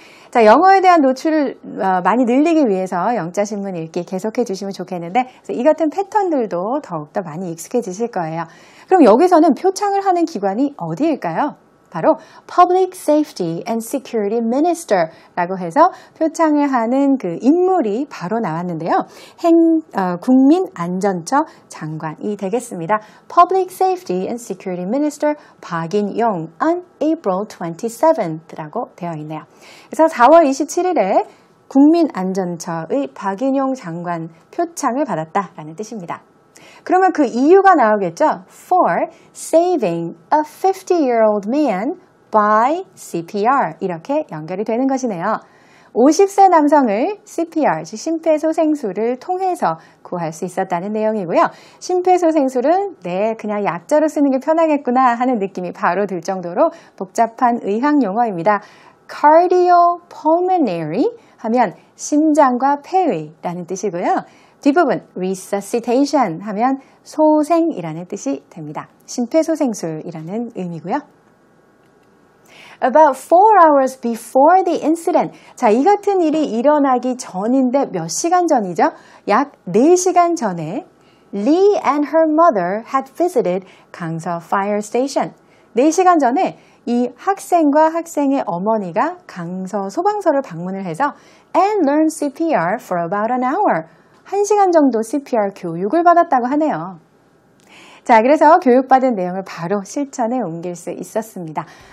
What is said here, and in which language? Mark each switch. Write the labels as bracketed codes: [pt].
[ko] 자, 영어에 대한 노출을 많이 늘리기 위해서 영자신문 읽기 계속해 주시면 좋겠는데 이 같은 패턴들도 더욱더 많이 익숙해지실 거예요. 그럼 여기서는 표창을 하는 기관이 어디일까요? 바로 Public Safety and Security Minister라고 해서 표창을 하는 그 인물이 바로 나왔는데요. 국민안전처 장관이 되겠습니다. [en] Public Safety and Security Minister 박인용 on April 27th라고 [ko] 되어 있네요. 그래서 4월 27일에 국민안전처의 박인용 장관 표창을 받았다라는 뜻입니다. 그러면 그 이유가 나오겠죠? [en] For saving a 50-year-old man by CPR [ko] 이렇게 연결이 되는 것이네요. 50세 남성을 CPR, 즉 심폐소생술을 통해서 구할 수 있었다는 내용이고요. 심폐소생술은 네, 그냥 약자로 쓰는 게 편하겠구나 하는 느낌이 바로 들 정도로 복잡한 의학 용어입니다. Cardiopulmonary 하면 심장과 폐의라는 뜻이고요. 뒷부분 resuscitation 하면 소생이라는 뜻이 됩니다. 심폐소생술이라는 의미고요. [en] About 4 hours before the incident. [ko] 자, 이 같은 일이 일어나기 전인데 몇 시간 전이죠? 약 4시간 전에 [en] Lee and her mother had visited Gangseo Fire Station. [ko] 4시간 전에 이 학생과 학생의 어머니가 강서 소방서를 방문을 해서 [en] and learned CPR for about an hour. [ko] 1시간 정도 CPR 교육을 받았다고 하네요. 자, 그래서 교육받은 내용을 바로 실천에 옮길 수 있었습니다.